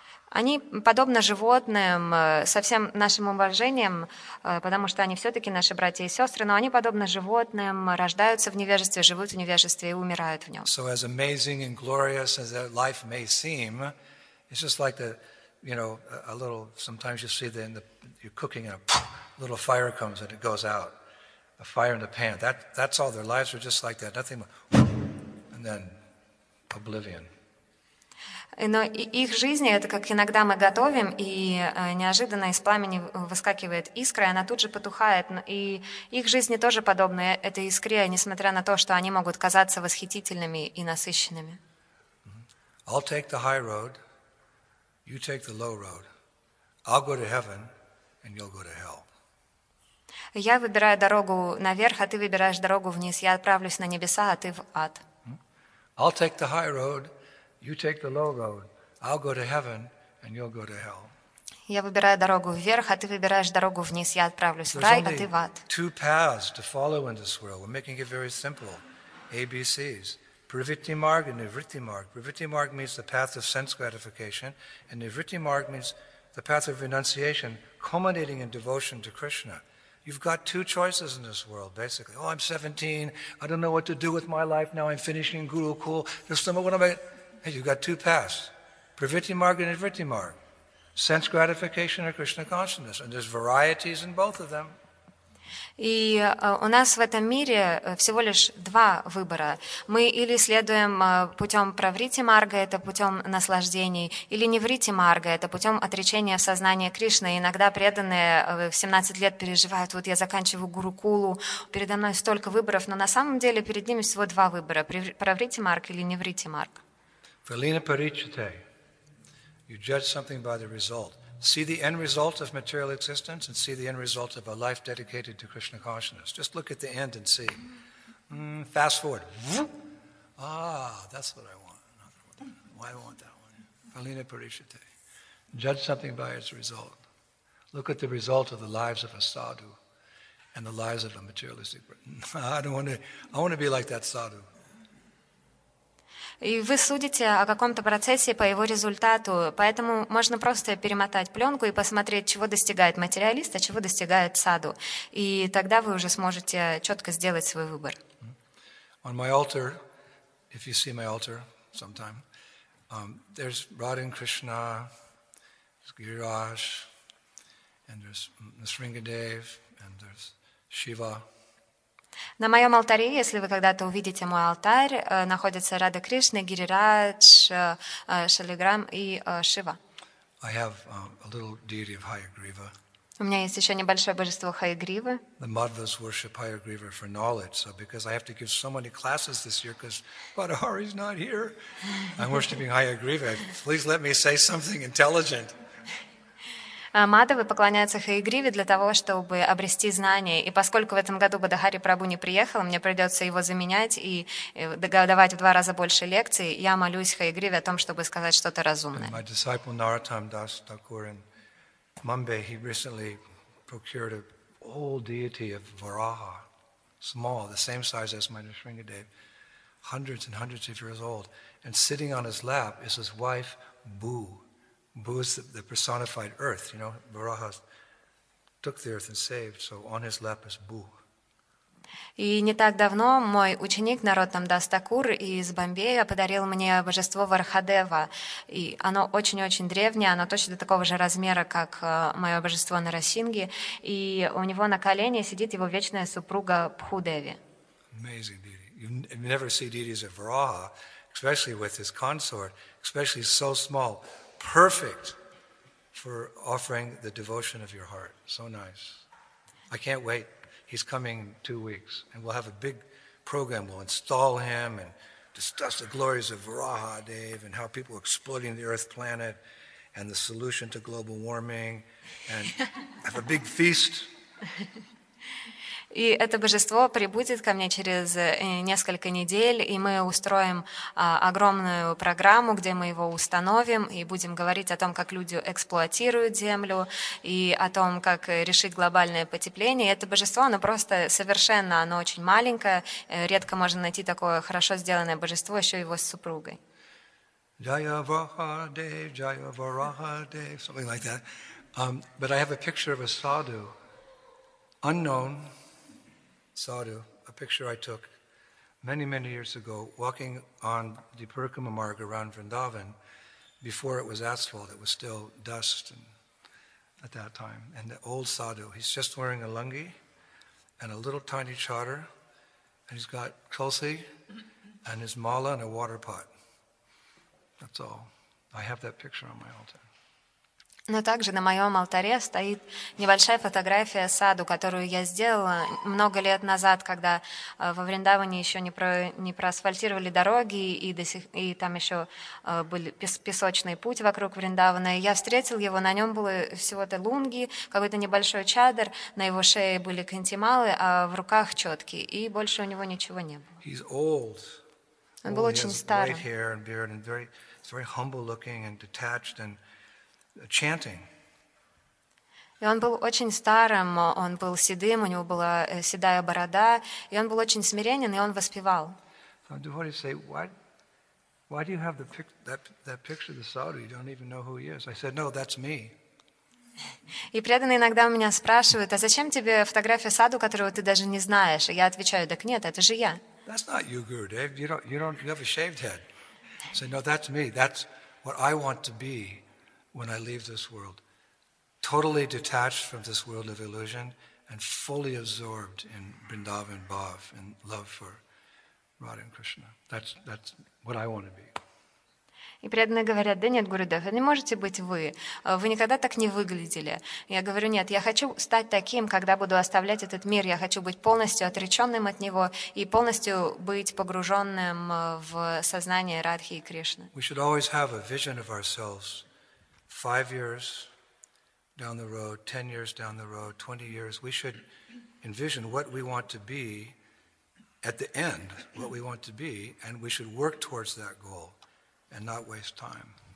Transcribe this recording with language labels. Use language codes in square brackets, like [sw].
[ru] Они подобны животным, со всем нашим уважением, потому что они все-таки наши братья и сестры, но они подобны животным, рождаются в невежестве, живут в невежестве и умирают в нем. [en] So as amazing and glorious as that life may seem, it's just like the, you know, a little. Sometimes you see that in the you're cooking and a little fire comes and it goes out, a fire in the pan. That's all. Their lives are just like that. Nothing more. And then oblivion. [ru] Но их жизни, это как иногда мы готовим, и неожиданно из пламени выскакивает искра, и она тут же потухает. И их жизни тоже подобны этой искре, несмотря на то, что они могут казаться восхитительными и насыщенными. [en] I'll take the high road, you take the low road. I'll go to heaven, and you'll go to hell. [ru] Я выбираю дорогу наверх, а ты выбираешь дорогу вниз. Я отправлюсь на небеса, а ты в ад. [en] I'll take the high road, you take the low road. I'll go to heaven, and you'll go to hell. [ru] Я выбираю дорогу вверх, а ты выбираешь дорогу вниз. Я отправлюсь в рай, а ты в ад. [en] There's only two paths to follow in this world. We're making it very simple. ABCs. Privritti Marg and Nivritti Marg. Privritti Marg means the path of sense gratification, and Nivritti Marg means the path of renunciation, culminating in devotion to Krishna. You've got two choices in this world, basically. Oh, I'm 17. I don't know what to do with my life now. I'm finishing Gurukul. There's some. What am I? Hey, you've got two paths, Privritti Marg and Nivritti Marg, sense gratification or Krishna consciousness, and there's varieties in both of them. [ru] И у нас в этом мире всего лишь два выбора. Мы или следуем путем Правритти Марга, это путем наслаждений, или Нивритти Марга, это путем отречения в сознании Кришны. Иногда преданные в 17 лет переживают, вот я заканчиваю Гурукулу, передо мной столько выборов, но на самом деле перед ними всего два выбора, Правритти Марг или Нивритти Марг. [en] Velina Parichate. You judge something by the result. See the end result of material existence and see the end result of a life dedicated to Krishna consciousness. Just look at the end and see. Fast forward. That's what I want. Why do I want that one? Velina Parichate. Judge something by its result. Look at the result of the lives of a sadhu and the lives of a materialistic person. I want to be like that sadhu. [ru] И вы судите о каком-то процессе по его результату, поэтому можно просто перемотать пленку и посмотреть, чего достигает материалист, а чего достигает саду. И тогда вы уже сможете четко сделать свой выбор. [en] On my altar, if you see my altar sometime, there's Radha and Krishna, there's Giriraj, and there's Nisringadev, and there's Shiva. [ru] На моем алтаре, если вы когда-то увидите мой алтарь, находятся Рада Кришна, Гирирадж, Шалиграм и Шива. [en] I have a little deity of Hayagriva. [ru] У меня есть еще небольшое божество Хаягривы. [en] The Madhvas worship Hayagriva for knowledge, so because I have to give so many classes this year because Badahari's not here, I'm worshiping Hayagriva. Please let me say something intelligent. [ru] Мадхавы поклоняются Хаягриве для того, чтобы обрести знания. И поскольку в этом году Бадахари Прабу не приехал, мне придется его заменять и давать в два раза больше лекций, я молюсь Хаягриве о том, чтобы сказать что-то разумное. [en] My disciple Narottam Das Thakur in Mumbai, he recently procured an old deity of Varaha, small, the same size as my Nisringadev, hundreds and hundreds of years old. And sitting on his lap is his wife, Boo. Boo is the personified earth, you know. Varaha took the earth and saved, so on his lap is Boo. [ru] И не так давно мой ученик Наротам Дас Такур из Бомбея подарил мне божество Вархадева, и оно очень-очень древнее, оно точно такого же размера, как мое божество Нарасинги, и у него на колене сидит его вечная супруга Пхудеви. [en] Amazing deity. you never see deities of Varaha, especially with his consort, especially so small, perfect for offering the devotion of your heart. So nice. I can't wait. He's coming 2 weeks, and we'll have a big program. We'll install him and discuss the glories of Varaha, Dave, and how people are exploiting the Earth planet and the solution to global warming, and have a big feast. [ru] И это божество прибудет ко мне через несколько недель, и мы устроим огромную программу, где мы его установим, и будем говорить о том, как люди эксплуатируют Землю, и о том, как решить глобальное потепление. И это божество, оно просто совершенно, оно очень маленькое, редко можно найти такое хорошо сделанное божество, еще его с супругой. [en] Jaya Varaha Dev, Jaya Varaha Dev, something like that. But I have a picture of a sadhu, unknown sadhu, a picture I took many, many years ago, walking on the Parikrama Marg around Vrindavan before it was asphalt. It was still dust and, at that time. And the old sadhu, he's just wearing a lungi and a little tiny chadar, and he's got tulsi and his mala and a water pot. That's all. I have that picture on my altar. [ru] Но также на моем алтаре стоит небольшая фотография саду, которую я сделала много лет назад, когда во Вриндаване еще не проасфальтировали дороги, и там еще был песочный путь вокруг Вриндавана. И я встретил его, на нем было всего-то лунги, какой-то небольшой чадр, на его шее были кантималы, а в руках четки, и больше у него ничего не было. [en] He's old. [ru] Он был очень старый. [en] He has white hair and beard and very, very humble looking and detached and chanting. [ru] И он был очень старым, он был седым, у него была седая борода, и он был очень смиренен, и он воспевал. [en] So devotees say, why do you have that picture of the sadhu? You don't even know who he is. I said, no, that's me. [ru] И преданные иногда меня спрашивают, а зачем тебе фотография саду, которую ты даже не знаешь? И я отвечаю, так нет, это же я. [en] That's not you, Gurudev. You have a shaved head. I say, no, that's me. That's what I want to be when I leave this world, totally detached from this world of illusion and fully absorbed in Vrindavan Bhav and love for Radha and Krishna. That's what I want to be. [ru] И преданные говорят, да нет, Гурудев, не можете быть вы. Вы никогда так не выглядели. Я говорю, нет, я хочу стать таким, когда буду оставлять этот мир. Я хочу быть полностью отреченным от него и полностью быть погруженным в сознание Радхи и Кришны. [en] We should always have a vision of ourselves 5 years down the road, 10 years down the road, 20 years. We should envision what we want to be at the end, what we want to be, and we should work towards that goal and not waste time.